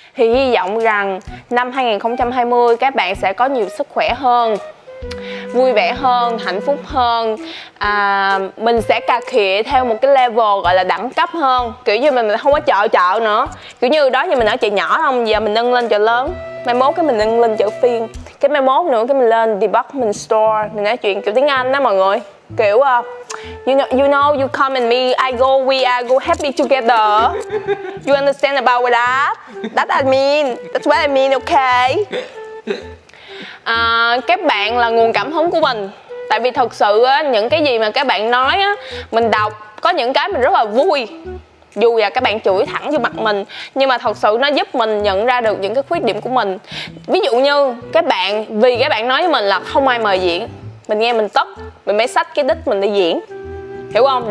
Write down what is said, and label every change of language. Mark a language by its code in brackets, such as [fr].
[vi] Thì hy vọng rằng năm 2020 các bạn sẽ có nhiều sức khỏe hơn, vui vẻ hơn, hạnh phúc hơn. Mình sẽ cà khịa theo một cái level gọi là đẳng cấp hơn. Kiểu như mình không có chợ chợ nữa. Kiểu như đó như mình ở chợ nhỏ không, giờ mình nâng lên chợ lớn. Mai mốt cái mình nâng lên chợ phiên. Cái mai mốt nữa cái mình lên department store. Mình nói chuyện kiểu tiếng Anh đó mọi người. Kiểu [en] you know you come and me, I go, we are go happy together. You understand about that? That I mean, that's what I mean, okay? [vi] Các bạn là nguồn cảm hứng của mình. Tại vì thật sự á, những cái gì mà các bạn nói á, mình đọc có những cái mình rất là vui. Dù là các bạn chửi thẳng vô mặt mình, nhưng mà thật sự nó giúp mình nhận ra được những cái khuyết điểm của mình. Ví dụ như các bạn, vì các bạn nói với mình là không ai mời diễn, mình nghe mình tức, mình mới xách cái đít mình đi diễn. Hiểu không?